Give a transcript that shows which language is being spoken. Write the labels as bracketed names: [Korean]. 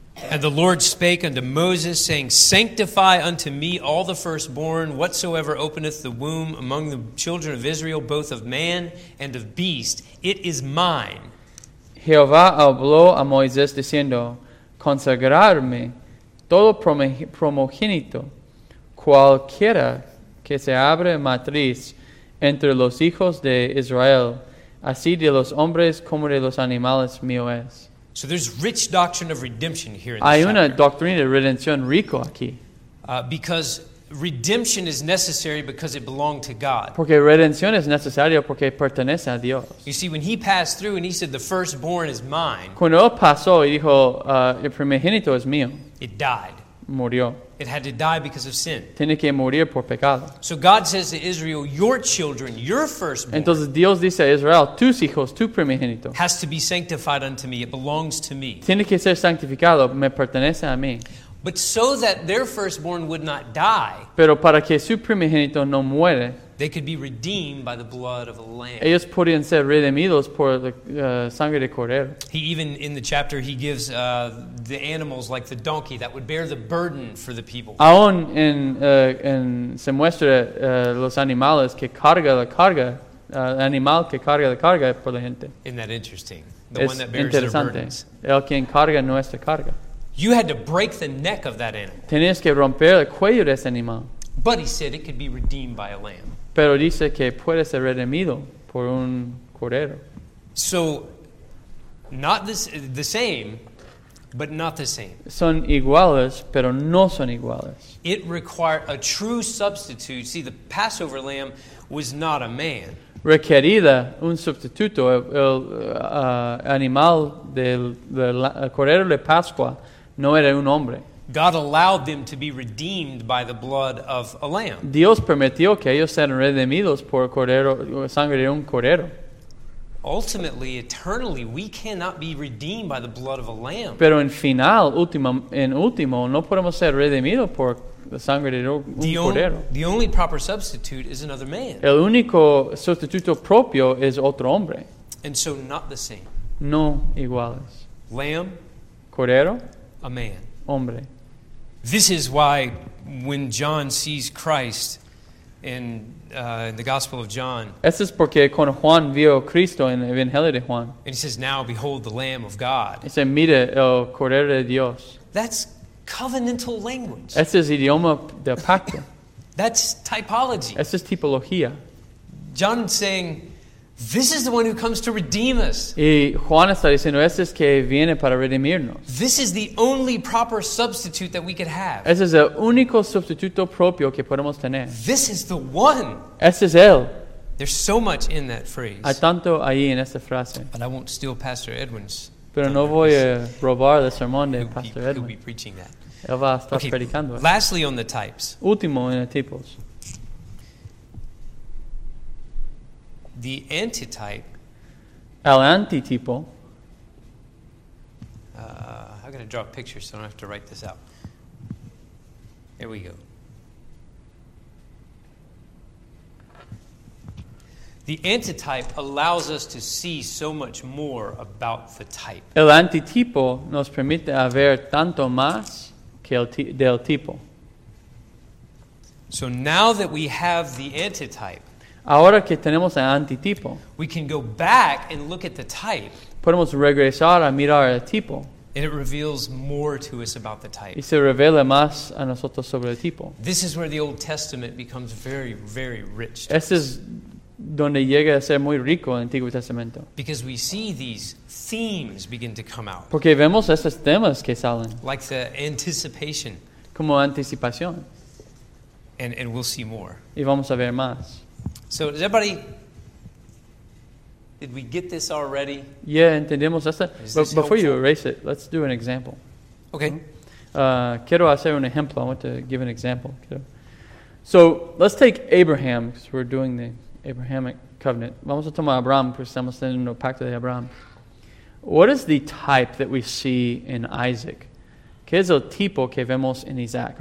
[English] And the Lord spake unto Moses, saying, Sanctify unto me all the firstborn, whatsoever openeth the womb among the children of Israel, both of man and of beast. It is mine. [Spanish] Jehová habló a Moisés, diciendo, Consagrarme todo primogénito, cualquiera que se abre matriz, entre los hijos de Israel, así de los hombres como de los animales mío es. [English] So there's rich doctrine of redemption here. [Spanish] Hay una doctrina de redención rico aquí. [English] Because redemption is necessary because it belonged to God. [Spanish] Porque redención es necesario porque pertenece a Dios. [English] You see, when he passed through and he said, the firstborn is mine. [Spanish] Cuando él pasó y dijo, el primogénito es mío. [English] It died. [Spanish] Murió. [English] It had to die because of sin. [Spanish] Tiene que morir por pecado. [English] So God says to Israel, your children, your firstborn. [Spanish] Entonces Dios dice a Israel, tus hijos, tu primogénito. [English] Has to be sanctified unto me. It belongs to me. [Spanish] Tiene que ser santificado. Me pertenece a mí. [English] But so that their firstborn would not die. [Spanish] Pero para que su primogénito no muere. [English] They could be redeemed by the blood of a lamb. [Spanish] Ellos podían ser redimidos por la sangre de cordero. [English] He even, in the chapter, he gives the animals like the donkey that would bear the burden for the people. [Spanish] Aún en se muestra los animales que carga la carga, animal que carga la carga por la gente. [English] Isn't that interesting? The es one that bears their burdens. [Spanish] El quien carga nuestra carga. [English] You had to break the neck of that animal. [Spanish] Tenías que romper el cuello de ese animal. [English] But he said it could be redeemed by a lamb. [Spanish] Pero dice que puede ser redimido por un cordero. [English] So, not this, the same, but not the same. [Spanish] Son iguales, pero no son iguales. [English] It required a true substitute. See, the Passover lamb was not a man. [Spanish] Requerida un sustituto. El animal del cordero de Pascua no era un hombre. [English] God allowed them to be redeemed by the blood of a lamb. [Spanish] Dios permitió que ellos sean redimidos por cordero, sangre de un cordero. [English] Ultimately, eternally, we cannot be redeemed by the blood of a lamb. [Spanish] Pero en final, último, no podemos ser redimidos por la sangre de un cordero. [English] The only proper substitute is another man. [Spanish] El único sustituto propio es otro hombre. [English] And so not the same. [Spanish] No iguales. [English] Lamb. [Spanish] Cordero. [English] A man. [Spanish] Hombre. [English] This is why when John sees Christ in the Gospel of John. [Spanish] Esto es porque cuando Juan vio Cristo en el Evangelio de Juan. [English] And he says, now behold the Lamb of God. [Spanish] Dice, mira el Cordero de Dios. [English] That's covenantal language. [Spanish] Esto es idioma del pacto. [English] That's typology. [Spanish] Esto es tipología. [English] John is saying, this is the one who comes to redeem us. [Spanish] Y Juan está diciendo, este es que viene para redimirnos. [English] This is the only proper substitute that we could have. [Spanish] Este es el único sustituto propio que podemos tener. [English] This is the one. [Spanish] Este es él. [English] There's so much in that phrase. [Spanish] Hay tanto ahí en esta frase. [English] But I won't steal Pastor Edwin's. [Spanish] Pero no voy a robar el sermón de Pastor Edwin. [English] He'll be preaching that. [Spanish] Él va a estar predicando. [English] Lastly on the types. [Spanish] Último en los tipos. [English] The antitype. [Spanish] El antitipo. [English] I'm going to draw a picture so I don't have to write this out. Here we go. The antitype allows us to see so much more about the type. [Spanish] El antitipo nos permite ver tanto más que del tipo. [English] So now that we have the antitype, [Spanish] ahora que tenemos el antitipo, [English] we can go back and look at the type. [Spanish] Podemos regresar a mirar el tipo. [English] And it reveals more to us about the type. [Spanish] Y se revela más a nosotros sobre el tipo. [English] This is where the Old Testament becomes very, very rich. [Spanish] Este es donde llega a ser muy rico el Antiguo Testamento. [English] Because we see these themes begin to come out. [Spanish] Porque vemos estos temas que salen. [English] Like the anticipation. [Spanish] Como anticipación. [English] And we'll see more. [Spanish] Y vamos a ver más. [English] So, does everybody... Did we get this already? Yeah, [Spanish] entendemos esto. [English] Before you erase it, let's do an example. Okay. [Spanish] Quiero hacer un ejemplo. [English] I want to give an example. So, let's take Abraham, because we're doing the Abrahamic covenant. [Spanish] Vamos a tomar Abraham, porque estamos en el pacto de Abraham. [English] What is the type that we see in Isaac? [Spanish] ¿Qué es el tipo que vemos en Isaac?